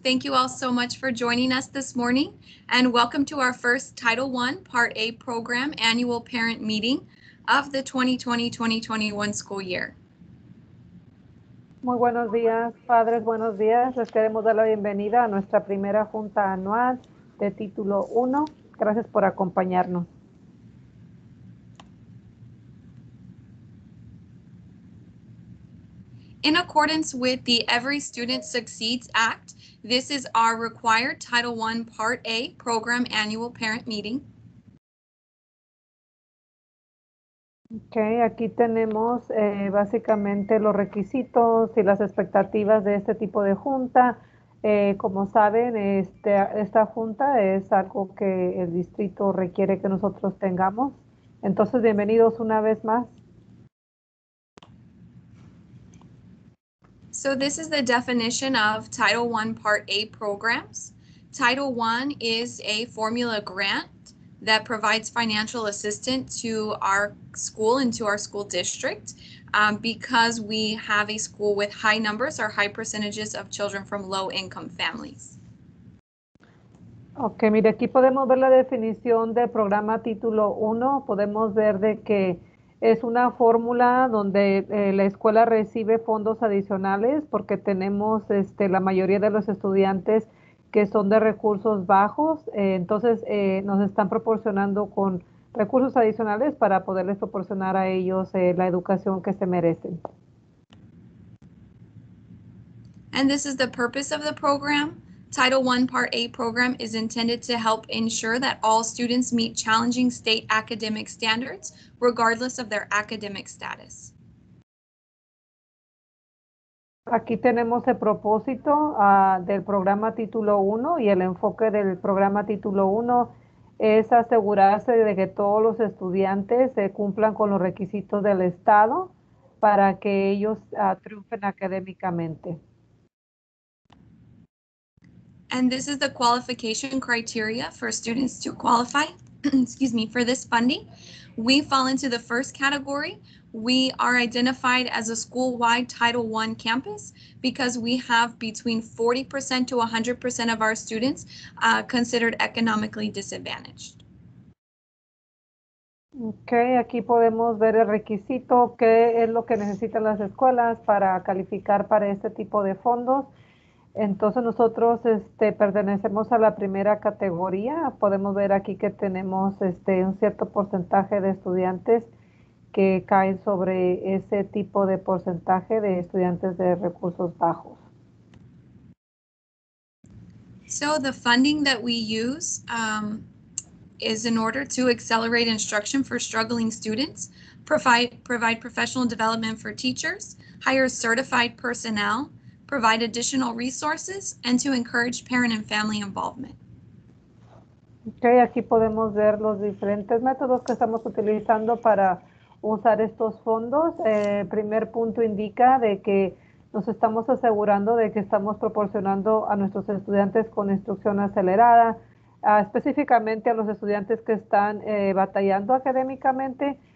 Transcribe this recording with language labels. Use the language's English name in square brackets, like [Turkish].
[English] Thank you all so much for joining us this morning, and welcome to our first Title I Part A program annual parent meeting of the 2020-2021 school year. [Spanish] Muy buenos días, padres. Buenos días. Les queremos dar la bienvenida a nuestra primera junta anual de título 1. Gracias por acompañarnos. [English] In accordance with the Every Student Succeeds Act, this is our required Title I Part A program annual parent meeting. [Spanish] Okay, aquí tenemos básicamente los requisitos y las expectativas de este tipo de junta. Como saben, esta junta es algo que el distrito requiere que nosotros tengamos. Entonces, bienvenidos una vez más. [English] So this is the definition of Title I Part A programs. Title I is a formula grant that provides financial assistance to our school and to our school district. Because we have a school with high numbers or high percentages of children from low income families. [Spanish] Okay, mire, aquí podemos ver la definición de programa título 1. Podemos ver de que es una fórmula donde la escuela recibe fondos adicionales porque tenemos la mayoría de los estudiantes que son de recursos bajos. Nos están proporcionando con recursos adicionales para poderles proporcionar a ellos la educación que se merecen. [English] And this is the purpose of the program. Title I Part A program is intended to help ensure that all students meet challenging state academic standards, regardless of their academic status. [Spanish] Aquí tenemos el propósito del programa título 1 y el enfoque del programa título 1 es asegurarse de que todos los estudiantes cumplan con los requisitos del estado para que ellos triunfen académicamente. [English] And this is the qualification criteria for students to qualify, excuse me, for this funding. We fall into the first category. We are identified as a school-wide Title I campus because we have between 40% to 100% of our students considered economically disadvantaged. [Spanish] Okay, aquí podemos ver el requisito, qué es lo que necesitan las escuelas para calificar para este tipo de fondos. Entonces nosotros pertenecemos a la primera categoría. Podemos ver aquí que tenemos un cierto porcentaje de estudiantes que caen sobre ese tipo de porcentaje de estudiantes de recursos bajos. [English] So the funding that we use is in order to accelerate instruction for struggling students, provide professional development for teachers, hire certified personnel, provide additional resources, and to encourage parent and family involvement. [Spanish] Okay, aquí podemos ver los diferentes métodos que estamos utilizando para usar estos fondos. El primer punto indica de que nos estamos asegurando de que estamos proporcionando a nuestros estudiantes con instrucción acelerada, específicamente a los estudiantes que están batallando académicamente.